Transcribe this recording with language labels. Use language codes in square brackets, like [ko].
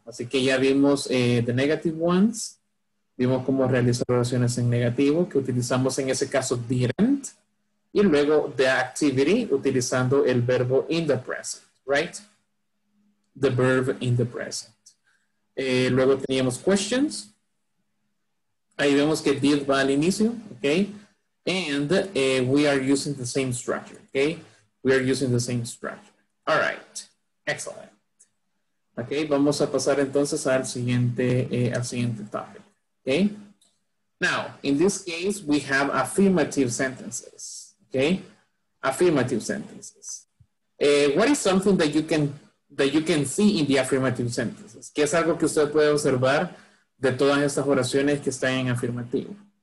[es] Así que ya vimos [en] the negative ones, [es] vimos cómo realizar oraciones en negativo, que utilizamos en ese caso didn't, y luego [en] the activity [es] utilizando el verbo [en] in the present, right? The verb in the present. [es] Luego teníamos [en] questions. [es] Ahí vemos que did va al inicio, okay? [en] And we are using the same structure, okay? We are using the same structure. All right, excellent. [es] Okay, vamos a pasar entonces al siguiente topic, okay? [en] Now, in this case, we have affirmative sentences, okay? Affirmative sentences. What is something that you can see in the affirmative sentences? [es] ¿Qué es algo que usted puede observar de todas estas oraciones que están en afirmativo?